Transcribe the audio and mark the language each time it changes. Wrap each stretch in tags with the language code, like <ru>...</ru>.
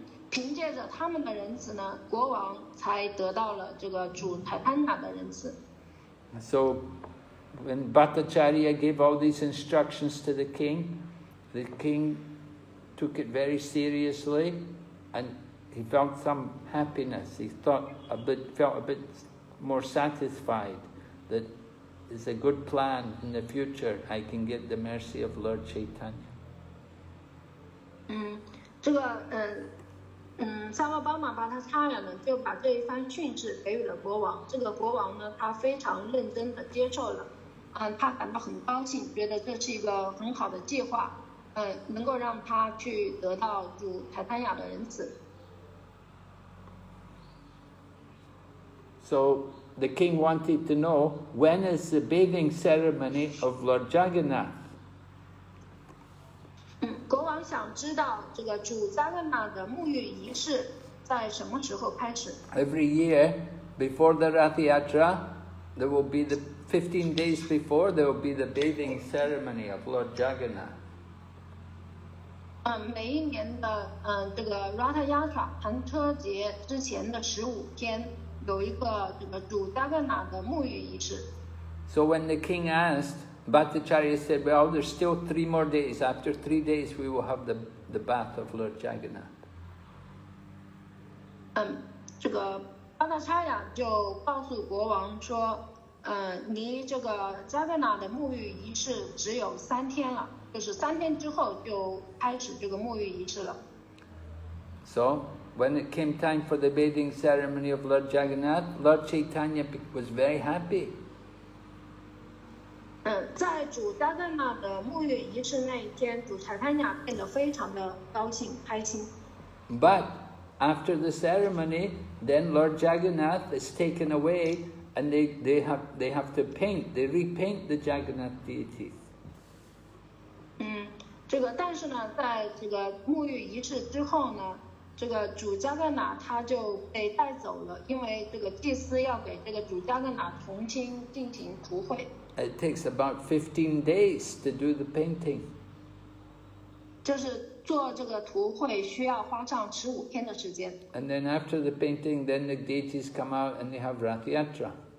<zh>凭借着他们的仁慈呢，国王才得到了这个主台潘塔的仁慈。</zh> <en>So, when Bhattacharya gave all these instructions to the king took it very seriously, and he felt some happiness. He thought a bit, felt a bit more satisfied that. It's a good plan in the future. I can get the mercy of Lord Chaitanya.</en> <zh>沙瓦邦玛巴塔查亚呢就把这一番训示给予了国王。这个国王呢，他非常认真的接受了。他感到很高兴，觉得这是一个很好的计划。能够让他去得到主台潘雅的仁慈。</zh> <en>So. The king wanted to know when is the bathing ceremony of Lord Jagannath.</en> <zh>国王想知道这个主 Jagannath 的沐浴仪式在什么时候开始。</zh> <en>Every year, before the Rath Yatra, there will be the 15 days before, there will be the bathing ceremony of Lord Jagannath.</en> <zh>每一年的这个 Rath Yatra 盘车节之前的15天。有一个这个主加格纳的沐浴仪式。</zh> <en>So when the king asked, Bhattacharya said, "Well, there's still 3 more days. After 3 days, we will have the bath of Lord Jagannath."</en> <zh>这个巴达查亚就告诉国王说，你这个加格纳的沐浴仪式只有三天了，就是三天之后就开始这个沐浴仪式了。</zh> <en>So. When it came time for the bathing ceremony of Lord Jagannath, Lord Chaitanya was very happy.</en> <zh>在主加格纳的沐浴仪式那一天，主查坦雅变得非常的高兴开心。</zh> <en>But After the ceremony, then Lord Jagannath is taken away, and they have to paint, they repaint the Jagannath deity.</en> <zh>这个但是呢，在这个沐浴仪式之后呢，这个主迦格纳他就被带走了，因为这个祭司要给这个主迦格纳重新进行除秽。</zh> <en>It takes about 15 days to do the painting.</en> <zh>就是做这个涂绘需要花上15天的时间。</zh> <en>And then after the painting, then the deities come out and they have Rath Yatra.</en>